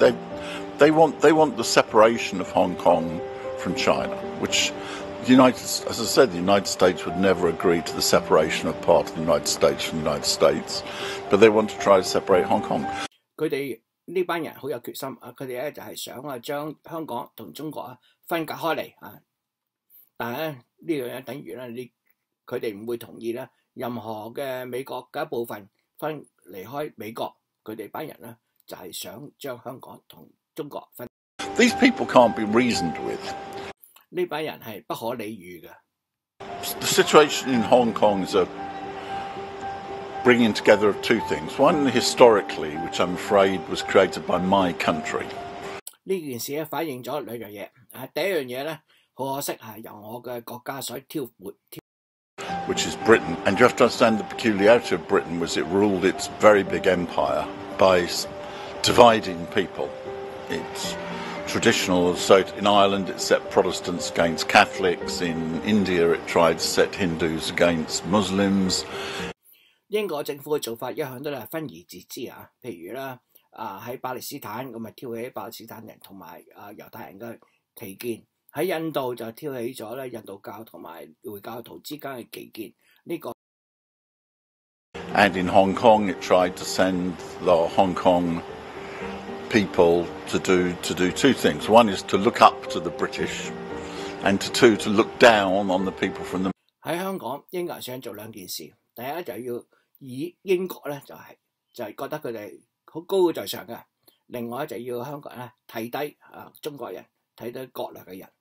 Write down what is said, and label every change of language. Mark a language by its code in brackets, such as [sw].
[en] They want the separation of Hong Kong from China, which as I said, the United States would never agree to the separation of part of the United States from the United States, but they want to try to separate Hong Kong. [yue] 佢哋呢班人好有決心啊！佢哋咧就係想啊，將香港同中國分隔開嚟啊！但係咧呢樣嘢等於咧，你佢哋唔會同意咧任何嘅美國嘅一部分分離開美國。佢哋班人咧就係想將香港同中國分。 [en] These people can't be reasoned with. [yue] 呢班人係不可理喻嘅。 [en] The situation in Hong Kong is a bringing together of two things. One, historically, which I'm afraid was created by my country. [yue] 呢件事咧反映咗兩樣嘢。第一樣嘢咧，好可惜係由我嘅國家所挑撥。 [en] Which is Britain. And you have to understand the peculiarity of Britain was it ruled its very big empire by dividing people. It's traditional, so in Ireland it set Protestants against Catholics, in India it tried to set Hindus against Muslims. [yue] 英國政府嘅做法一向都係分而治之啊，譬如啦，喺巴勒斯坦咁咪挑起巴勒斯坦人同埋猶太人嘅歧見，喺印度就挑起咗咧印度教同埋回教徒之間嘅歧見，呢個。 [en] And in Hong Kong, it tried to send the Hong Kong people to do two things. One is to look up to the British, and to look down on the people from the. [yue] 喺香港，英國想做兩件事，第一就要以英國咧就係覺得佢哋好高高在上嘅，另外就要香港咧睇低中國人，睇低國內嘅人。